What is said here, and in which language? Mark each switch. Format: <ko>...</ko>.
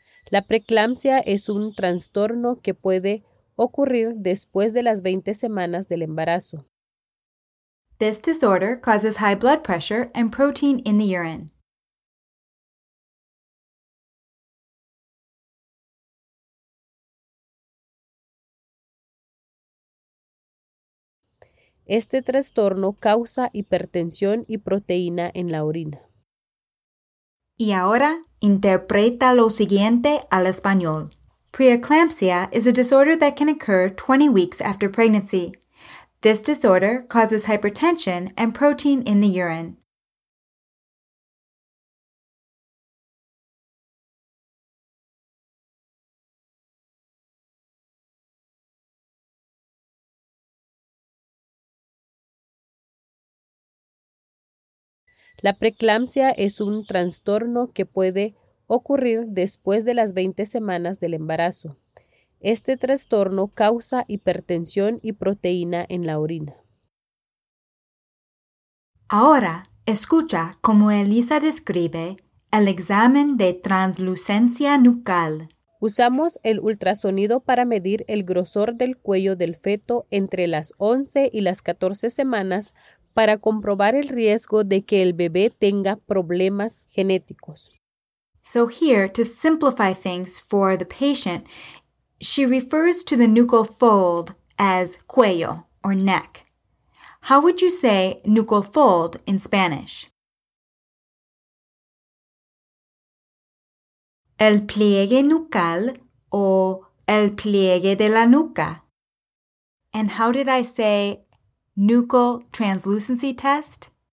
<es>La preeclampsia es un trastorno que puede ocurrir después de las 20 semanas del embarazo.</es> <en>This disorder causes high blood pressure and protein in the urine.</en> <es>Este trastorno causa hipertensión y proteína en la orina. Y ahora, interpreta lo siguiente al español.</es> <en>Preeclampsia is a disorder that can occur 20 weeks after pregnancy. This disorder causes hypertension and protein in the urine.</en> <es>La preeclampsia es un trastorno que puede ocurrir después de las 20 semanas del embarazo. Este trastorno causa hipertensión y proteína en la orina. Ahora, escucha cómo Elisa describe el examen de translucencia nucal. Usamos el ultrasonido para medir el grosor del cuello del feto entre las 11 y las 14 semanas para comprobar el riesgo de que el bebé tenga problemas genéticos.</es> <en>So here, to simplify things for the patient, she refers to the nuchal fold as cuello or neck. How would you say nuchal fold in Spanish?</en> <es>El pliegue nucal o el pliegue de la nuca.</es> <en>And how did I say nuchal translucency test?</en>